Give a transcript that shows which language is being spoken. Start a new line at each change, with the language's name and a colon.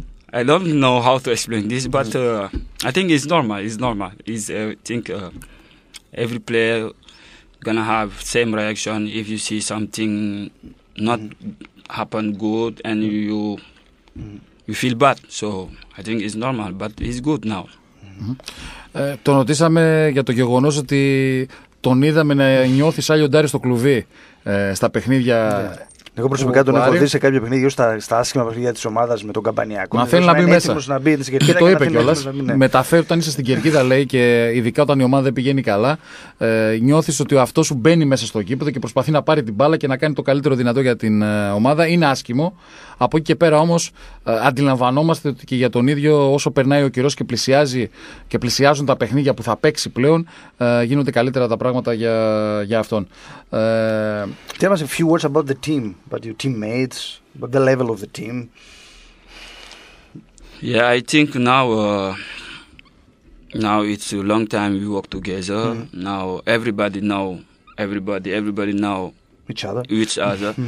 English: I don't know how to explain this, but I think it's normal. It's normal. It's, I think every player gonna have same reaction if you see something not happen good and you feel bad. So I think it's normal, but it's good now.
Greek: Τον ρωτήσαμε για το γεγονός ότι τον είδαμε να νιώθει σαν λιοντάρι στο κλουβί στα παιχνίδια. Εγώ προσωπικά τον έχω δει σε κάποια παιχνίδια, στα άσχημα παιχνίδια της ομάδας με τον Καμπανιακό. Μα θέλει να μπει μέσα. Να μπει στην κερκίδα, το είπε κιόλας. Μεταφέρει όταν είσαι στην κερκίδα, λέει, και ειδικά όταν η ομάδα δεν πηγαίνει καλά, νιώθεις ότι ο αυτός σου μπαίνει μέσα στο κήπεδο και προσπαθεί να πάρει την μπάλα και να κάνει το καλύτερο δυνατό για την ομάδα. Είναι άσχημο. Από εκεί και πέρα όμως αντιλαμβανόμαστε ότι και για τον ίδιο όσο περνάει ο καιρός και πλησιάζει και πλησιάζουν τα παιχνίδια που θα παίξει πλέον, γίνονται καλύτερα τα πράγματα για αυτόν.
English: Tell us a few words about the team, about your teammates, about the level of the team. Yeah, I think now it's a long time we work together. Mm-hmm. Now everybody know each other.